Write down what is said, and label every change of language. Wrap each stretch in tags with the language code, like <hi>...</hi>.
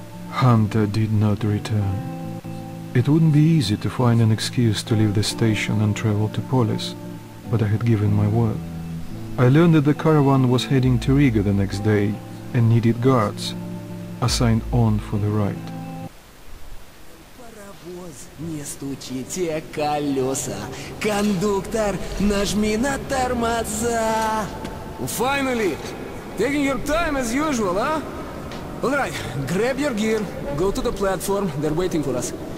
<en>Hunter did not return. It wouldn't be easy to find an excuse to leave the station and travel to Polis, but I had given my word. I learned that the caravan was heading to Riga the next day and needed guards, assigned on for the ride.</en> <ru>Не стучите колеса, кондуктор, нажми на тормоза.</ru> <en>Finally! Taking your time as usual, huh? Alright, grab your gear, go to the platform, they're waiting for us.</en>